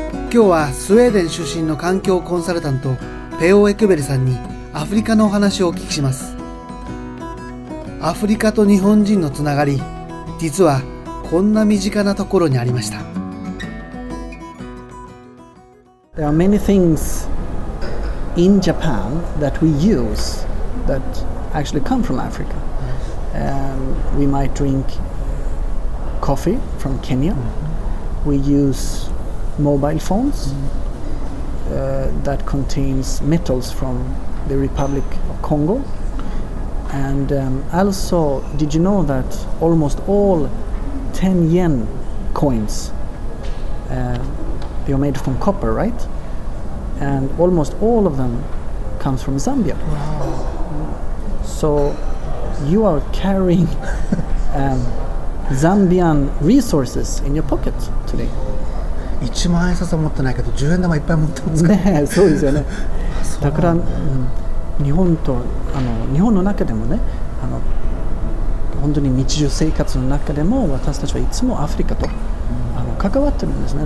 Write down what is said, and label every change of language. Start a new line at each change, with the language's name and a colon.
Japanese: 今日はスウェーデン出身の環境コンサルタント、ペオ・エクベルさんにアフリカのお話をお聞きします。アフリカと日本人のつながり、実はこんな身近なところにありました。
English: There are many things in Japan that we use that actually come from Africa. We might drink coffee from Kenya. We use mobile phones that contains metals from the Republic of Congo. And also, did you know that almost all 10 yen coins, they are made from copper, right? And almost all of them comes from Zambia. Wow. So you are carrying Zambian resources in your pocket today.
Japanese: 1万円札は持ってないけど、10円玉いっぱい持ってますか？ねえ、そうですよね。だから、日本と日本の中でもね、本当に日常生活の中でも私たちはいつもアフリカと関わってるんですね。